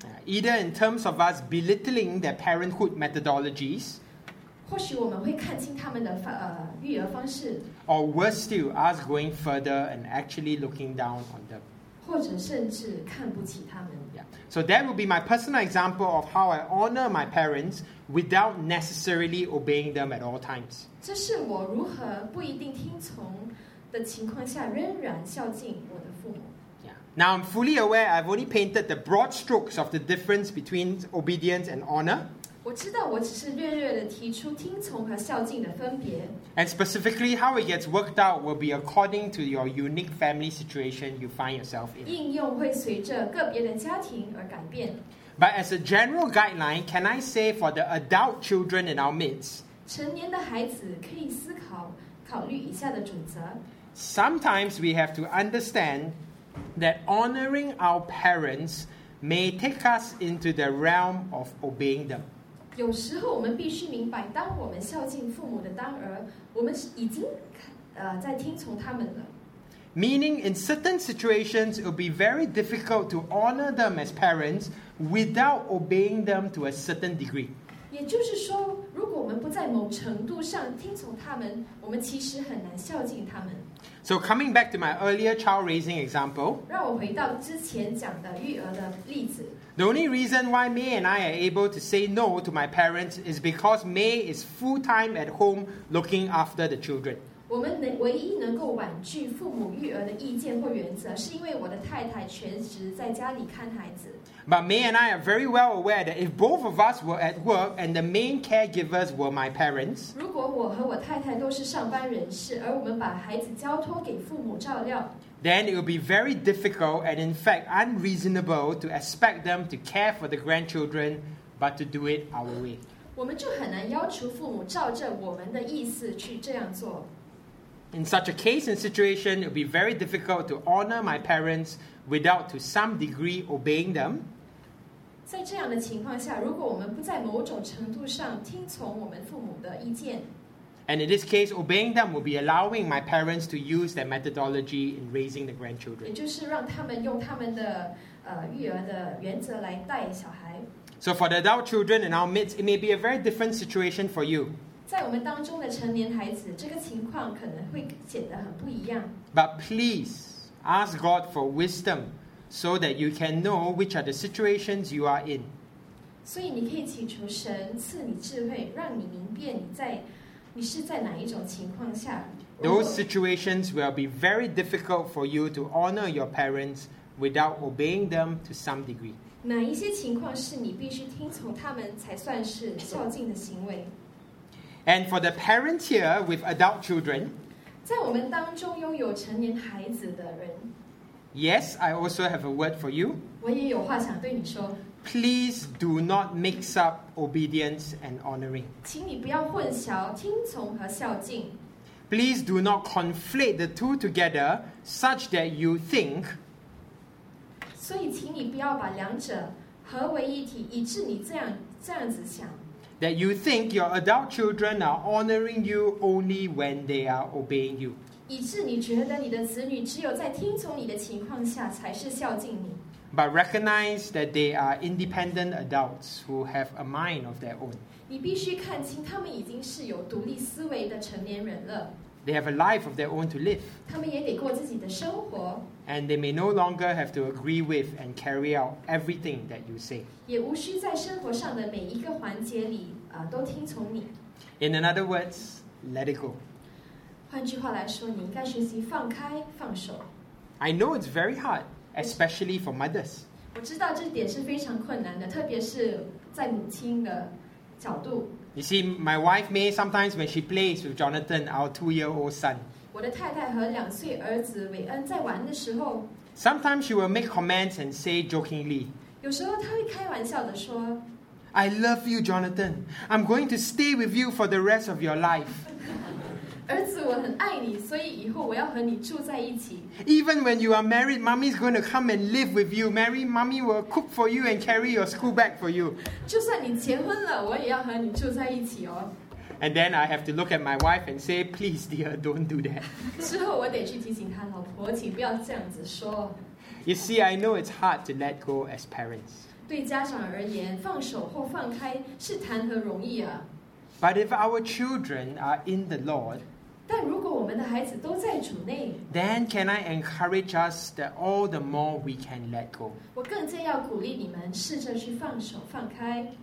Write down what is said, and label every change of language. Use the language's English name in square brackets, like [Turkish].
[English] Either in terms of us belittling their parenthood methodologies, [Chinese] 或许我们会看清他们的育儿方式, [English] or worse still, us going further and actually looking down on them. [Chinese] 或者甚至看不起他们。 [English] So that would be my personal example of how I honor my parents without necessarily obeying them at all times. [Chinese] 这是我如何不一定听从的情况下仍然孝敬我的父母。 [English] Now I'm fully aware I've only painted the broad strokes of the difference between obedience and honor. [Chinese] 我知道我只是略略地提出听从和孝敬的分别。 [English] And specifically how it gets worked out will be according to your unique family situation you find yourself in. [Chinese] 应用会随着个别的家庭而改变。 [English] But as a general guideline, can I say for the adult children in our midst? [Chinese] 成年的孩子可以思考考虑以下的准则。 [English] Sometimes we have to understand that honoring our parents may take us into the realm of obeying them. [Chinese] 有时候我们必须明白，当我们孝敬父母的当儿，我们已经在听从他们了。 [English] Meaning, in certain situations, it will be very difficult to honor them as parents without obeying them to a certain degree. [Chinese] 也就是说，如果我们不在某程度上听从他们，我们其实很难孝敬他们。 [English] So coming back to my earlier child raising example, [Chinese] 让我回到之前讲的育儿的例子。 [English] The only reason why May and I are able to say no to my parents is because May is full time at home looking after the children. [Chinese] 我们唯一能够婉拒父母育儿的意见或原则，是因为我的太太全职在家里看孩子。 [English] But May and I are very well aware that if both of us were at work and the main caregivers were my parents, [Chinese] 如果我和我太太都是上班人士，而我们把孩子交托给父母照料， [English] then it would be very difficult and in fact unreasonable to expect them to care for the grandchildren, but to do it our way. [Chinese] 我们就很难要求父母照着我们的意思去这样做。 [English] In such a case and situation, it would be very difficult to honor my parents without to some degree obeying them. [Chinese] 在这样的情况下，如果我们不在某种程度上听从我们父母的意见， [English] and in this case, obeying them would be allowing my parents to use their methodology in raising the grandchildren. [Chinese] 也就是让他们用他们的育儿的原则来带小孩。 [English] So for the adult children in our midst, it may be a very different situation for you. [Chinese] 在我们当中的成年孩子，这个情况可能会显得很不一样。 [English] But please,ask God for wisdom so that you can know which are the situations you are in. [Chinese] 所以你可以祈求神赐你智慧，让你明辨你是在哪一种情况下。 [English] Those situations will be very difficult for you to honor your parents without obeying them to some degree. [Chinese] 哪一些情况是你必须听从他们才算是孝敬的行为？ [English] And for the parents here with adult children, [Chinese] 在我们当中拥有成年孩子的人， [English] Yes, I also have a word for you. [Chinese] 我也有话想对你说。 [English] Please do not mix up obedience and honoring. [Chinese] 请你不要混淆听从和孝敬。 [English] Please do not conflate the two together such that you think. [Chinese] 所以请你不要把两者合为一体，以致你这样子想。 [English] That you think your adult children are honoring you only when they are obeying you. [Chinese] 以致你觉得你的子女只有在听从你的情况下才是孝敬你。 [English] But recognize that they are independent adults who have a mind of their own. [Chinese] 你必须看清他们已经是有独立思维的成年人了。 [English] They have a life of their own to live. [Chinese] 他们也得过自己的生活。 [English] And they may no longer have to agree with and carry out everything that you say. [Chinese] 也无需在生活上的每一个环节里都听从你。 [English] In other words, let it go. [Chinese] 换句话来说，你应该学习放开，放手。 [English] I know it's very hard, especially for mothers. [Chinese] 我知道这点是非常困难的，特别是在母亲的角度。 [English] You see, my wife May sometimes when she plays with Jonathan, our two-year-old son. [Chinese] 我的太太和两岁儿子韦恩在玩的时候， [English] Sometimes she will make comments and say jokingly, [Chinese] 有时候她会开玩笑地说， [English] I love you, Jonathan. I'm going to stay with you for the rest of your life. [Chinese] 儿子，我很爱你，所以以后我要和你住在一起。 [English] Even when you are married, mommy's going to come and live with you. Mary, mommy will cook for you and carry your school bag for you. [Chinese] 就算你结婚了，我也要和你住在一起哦。 [English] And then I have to look at my wife and say, please, dear, don't do that. [Chinese] 之后我得去提醒她，老婆，请不要这样子说。 [English] You see, I know it's hard to let go as parents. [Chinese] 对家长而言，放手或放开是谈何容易啊。 [English] But if our children are in the Lord, [Chinese] 但如果我们的孩子都在主内， [English] then can I encourage us that all the more we can let go? [Chinese] 我更加要鼓励你们试着去放手放开。